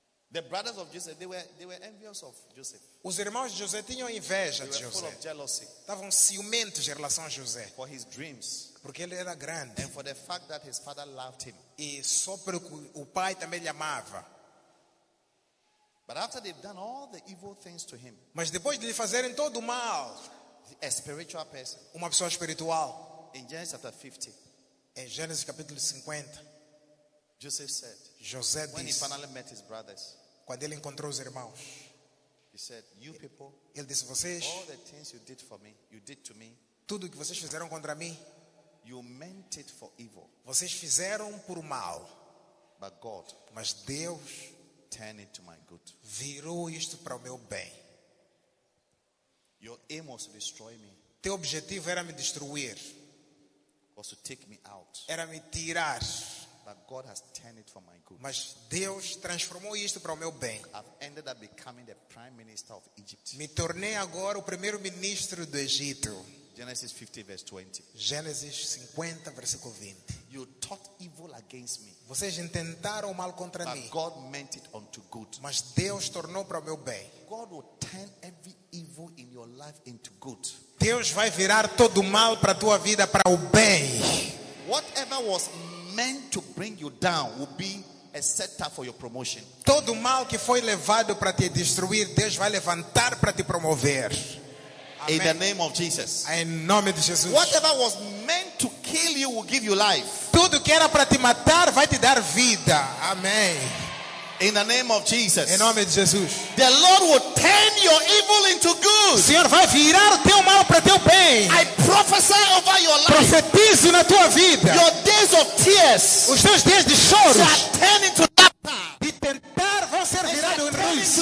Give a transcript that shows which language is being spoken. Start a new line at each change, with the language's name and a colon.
English: The brothers of Joseph, they were envious of Joseph.
Portuguese: Os irmãos de José tinham inveja de José.
English: Full of jealousy.
Portuguese: Estavam ciumentos em relação a José.
English: For his dreams.
Portuguese: Porque ele era grande.
English: And for the fact that his father loved him.
Portuguese: E só porque o pai também lhe amava.
English: But after they've done all the evil things to him,
Portuguese: mas depois de lhe fazerem todo o mal,
English: a spiritual person,
Portuguese: uma pessoa espiritual,
English: in Genesis chapter 50,
Portuguese: em Gênesis capítulo 50,
English: Joseph said,
Portuguese: José
English: when
Portuguese: disse,
English: he finally met his brothers,
Portuguese: quando ele encontrou os irmãos,
English: he said, you people,
Portuguese: ele disse, vocês,
English: all the things you did for me, you did to me,
Portuguese: tudo o que vocês fizeram contra mim,
English: you meant it for evil,
Portuguese: vocês fizeram por mal,
English: but God,
Portuguese: mas Deus
English: turn it to my good.
Portuguese: Virou isto para o meu bem.
English: Your aim was to destroy me.
Portuguese: Teu objetivo era me destruir.
English: Was to take me out.
Portuguese: Era me tirar.
English: But God has turned it for my good.
Portuguese: Mas Deus transformou isto para o meu bem.
English: I've ended up becoming the prime minister of Egypt.
Portuguese: Me tornei agora o primeiro ministro do Egito.
English: Genesis 50 verse 20.
Portuguese: Gênesis 50 versículo 20.
English: You thought evil against me.
Portuguese: Vocês intentaram mal contra
English: but
Portuguese: mim.
English: God meant it unto good.
Portuguese: Mas Deus tornou para o meu bem.
English: God will turn every evil in your life into good.
Portuguese: Deus vai virar todo mal para tua vida para o bem.
English: Whatever was meant to bring you down will be a setup for your promotion.
Portuguese: Todo mal que foi levado para te destruir, Deus vai levantar para te promover.
English: Amen. In the name of Jesus.
Portuguese: Em nome de Jesus.
English: Whatever was meant to kill you will give you life.
Portuguese: Tudo que era para te matar vai te dar vida. Amém.
English: In the name of Jesus.
Portuguese: Em nome de Jesus.
English: The Lord will turn your evil into good.
Portuguese: O Senhor vai virar o teu mal para teu bem.
English: I prophesy over your life.
Portuguese: Profetizo na tua vida.
English: Your days of tears.
Portuguese: Os teus dias de choro.
English: Shall turn into laughter.
Portuguese: De tentar vão ser virado em riso.